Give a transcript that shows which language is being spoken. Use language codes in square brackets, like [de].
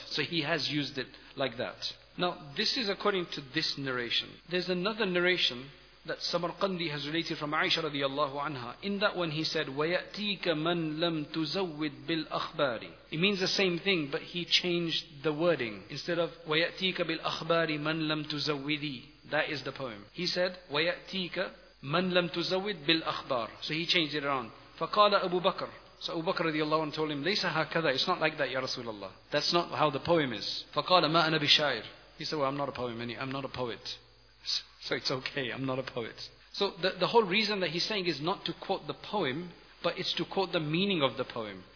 [en] So he has used it like that. Now, this is according to this narration. There's another narration that Samarqandi has related from Aisha radiallahu anha. In that one he said, [ar] وَيَأْتِيكَ مَنْ لَمْ تُزَوِّدْ بِالْأَخْبَارِ. [en] It means the same thing, but he changed the wording. Instead of [ar] وَيَأْتِيكَ بِالْأَخْبَارِ مَنْ لَمْ تُزَوِّدِي. [en] That is the poem. He said, [ar] وَيَأْتِيكَ مَنْ لَمْ تُزَوِّدْ بِالْأَخْبَارِ. [en] So he changed it around. [ar] فَقَالَ أَبُو بَكْرَ. [en] So Abu Bakr radiallahu anhu told him, [ar] لَيْسَ هَكَذَا. [en] It's not like that, Ya Rasulullah. That's not how the poem is. [ar] فَقَالَ مَا أَنَا بِشَاعِرٍ. [en] He said, well, I'm not a poet. So it's okay, I'm not a poet. So the whole reason that he's saying is not to quote the poem, but it's to quote the meaning of the poem.